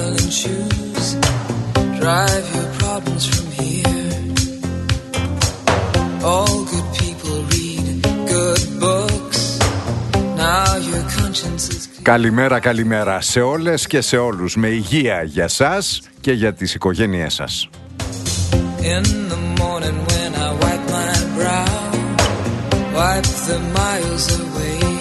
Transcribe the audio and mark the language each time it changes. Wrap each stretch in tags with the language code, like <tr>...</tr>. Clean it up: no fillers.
<en>shoes, drive your problems from here. All good people read good books. Now your conscience is clear.</en> <el>Καλημέρα, καλημέρα σε όλες και σε όλους. Με υγεία για σας και για τις οικογένειές σας.</el> <en>In the morning when I wipe my brow, wipe the miles away.</en>